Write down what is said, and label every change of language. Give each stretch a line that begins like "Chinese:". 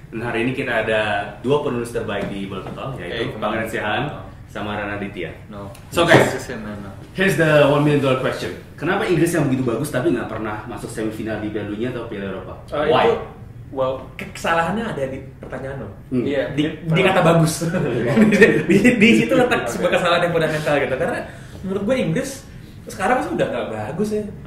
Indonesian: Dan hari ini kita ada dua penulis terbaik di Bolatotal, yaitu Pangeran Sihan sama Rana Ditya.
English: No. So guys, here's the $1 million question.
Indonesian: Kenapa Inggris yang begitu bagus tapi nggak pernah masuk semifinal di Piala Dunia atau Piala Eropa?
English: Why?
Indonesian: Well, kesalahannya ada di pertanyaan lo.
English: Yeah.
Indonesian: Di kata bagus. di situ letak sebuah kesalahan yang fundamental gitu. Karena menurut gue Inggris sekarang sih udah nggak bagus ya.